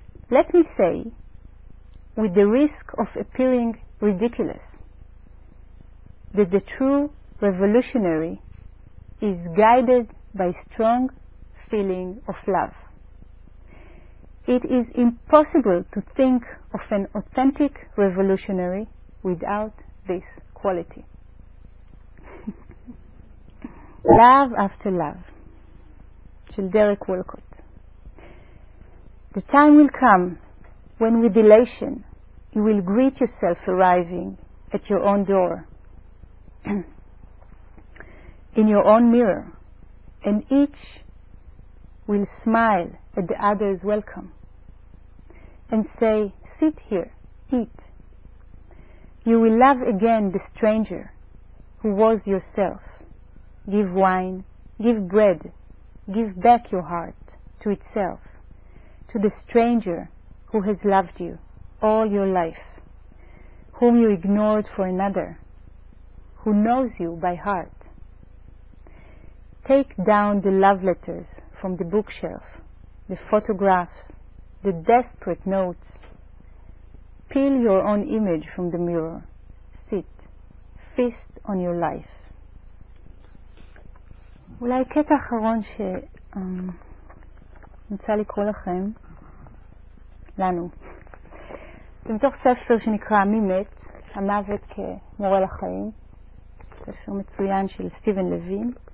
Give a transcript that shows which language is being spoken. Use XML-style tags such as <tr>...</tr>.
<en>Let me say, with the risk of appearing ridiculous, that the true revolutionary is guided by strong feeling of love. It is impossible to think of an authentic revolutionary without this quality.</en> <he>Love After Love, של דרק וולקוט.</he> <en>The time will come when with elation you will greet yourself arriving at your own door, in your own mirror, and each will smile at the other's welcome and say, sit here, eat. You will love again the stranger who was yourself. Give wine, give bread, give back your heart to itself, to the stranger who has loved you all your life, whom you ignored for another, who knows you by heart. Take down the love letters from the bookshelf, the photographs, the desperate notes. Peel your own image from the mirror. Sit, feast on your life.</en> <he>אולי קטע אחרון ש נמצא לקרוא לכם לנו. זה מתוך ספר שנקרא מי מת, המוות כמורה לחיים, ספר מצוין של סטיבן לוין.</he>